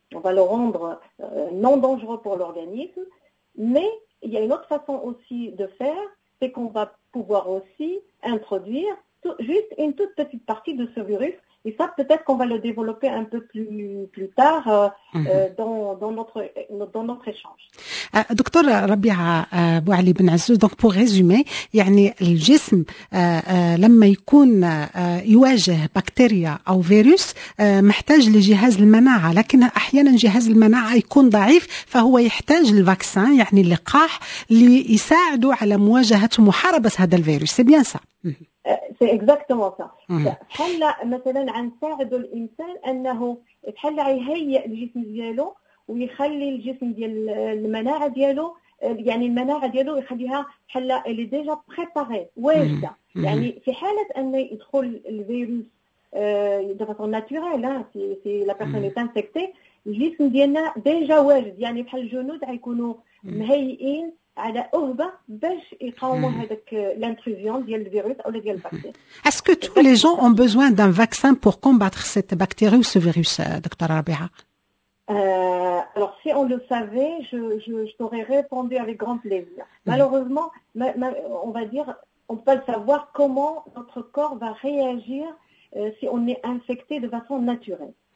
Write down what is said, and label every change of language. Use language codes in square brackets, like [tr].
[fr] On va le rendre non dangereux pour l'organisme. Mais il y a une autre façon aussi de faire, c'est qu'on va pouvoir aussi introduire juste une toute petite partie de ce virus. Et ça, peut-être qu'on va le développer un peu plus tard dans notre échange. [ar] Docteur Rabia Bouali Ben Azouz, [fr] donc pour résumer, [ar] يعني الجسم لما يكون يواجه بكتيريا أو فيروس محتاج لجهاز المناعة، لكن أحيانا جهاز المناعة يكون ضعيف، فهو يحتاج الفاكسان يعني اللقاح ليساعده على مواجهة ومحاربة هذا الفيروس. [fr] C'est bien ça. C'est exactement ça. [ar] بحال مثلا نساعد الانسان انه بحال يهيئ الجسم ديالو ويخلي الجسم ديال المناعه ديالو، يعني المناعه ديالو يخليها بحال اللي [fr] ديجا بريباري [ar] واجده، يعني في حاله انه يدخل الفيروس [fr] دو فاصون ناتوريل، سي لا بيرسون ايت انفكتي، [ar] الجسم ديالنا ديجا واجد، يعني بحال الجنود غيكونوا مهيئين على أهبة باش يقاوموا هذاك الانتروزيون ديال الفيروس أو ديال البكتيريا. [fr] Est-ce que tous les gens ont besoin d'un vaccin pour combattre cette bactérie ou ce virus, docteur Rabia? Alors si on le savait, je t'aurais répondu avec grand plaisir. Malheureusement, on va dire, on peut pas le savoir comment notre corps va réagir si on est infecté de façon naturelle.